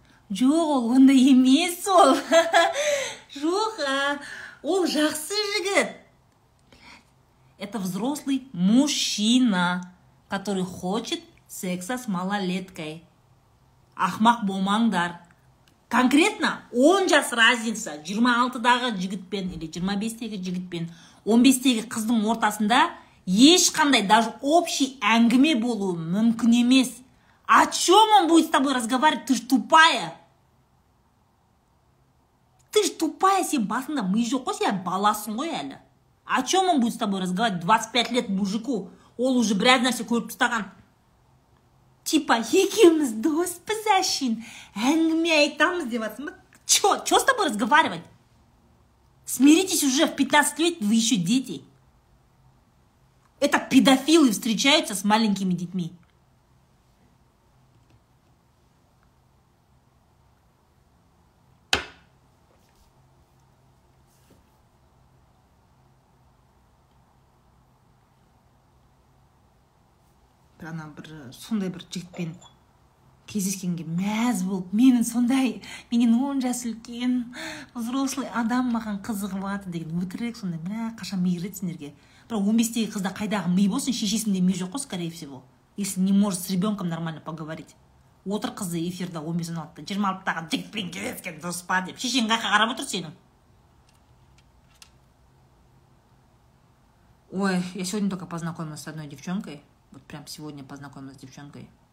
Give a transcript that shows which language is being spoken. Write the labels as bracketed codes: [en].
[kk] Жоқ, ол ондай емес ол. Жоқ, ол жақсы жігіт. [ru] Это взрослый мужчина, который хочет секса с малолеткой. [kk] Ахмақ болмаңдар. Конкретно 10 жас разница. 26-дағы жігітпен или 25-дегі жігітпен 15-дегі қыздың ортасында ешқандай даже общий әңгіме болуы мүмкін емес. [ru] О чем он будет с тобой разговаривать? Ты ж тупая. Ты ж тупая, [kk] сен басында мы жоқ қой, сен баласың ғой әлі. [ru] О чем он будет с тобой разговаривать? 25 лет мужику. [kk] Ол уже біраз нәрсе көріп тастаған. Типа, екеуміз доспіз әшін. Әңгіме айтамыз деп атсың ба? [ru] Че? Че с тобой разговаривать? Смиритесь уже, в 15 лет вы еще дети. Это педофилы встречаются с маленькими детьми. [kk] Ана бір сондай бір жігітпен кездескенге мәз болып, менің сондай, менен 10 жас үлкен взрослый адам маған қызығып жатыр деген өтірік, сондай мына қашан ми кіреді сендерге. Бірақ 15-дегі қызда қайдағы ми болсын, шешесінде ми жоқ қой, [ru] скорее всего, если не может с ребенком нормально поговорить. [kk] Отыр қызы эфирде 15-16-та 26-таға жігітпен кездескен дұрыс па деп шешең қайқа қарап отыр сенің. [ru] Ой, я сегодня только познакомилась с одной девчонкой. Вот прям сегодня познакомилась с девчонкой.